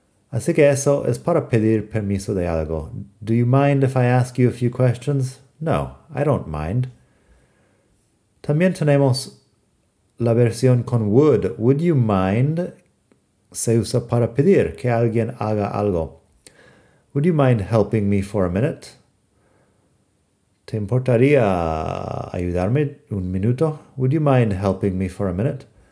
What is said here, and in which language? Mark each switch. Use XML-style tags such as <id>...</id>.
<es>Así que eso es para pedir permiso de algo.</es> <en>Do you mind if I ask you a few questions? No, I don't mind.</en> <es>También tenemos la versión con would.</es> <en>Would you mind?</en> <es>Se usa para pedir que alguien haga algo.</es> <en>Would you mind helping me for a minute?</en> <es>¿Te importaría ayudarme un minuto?</es> <en>Would you mind helping me for a minute?</en>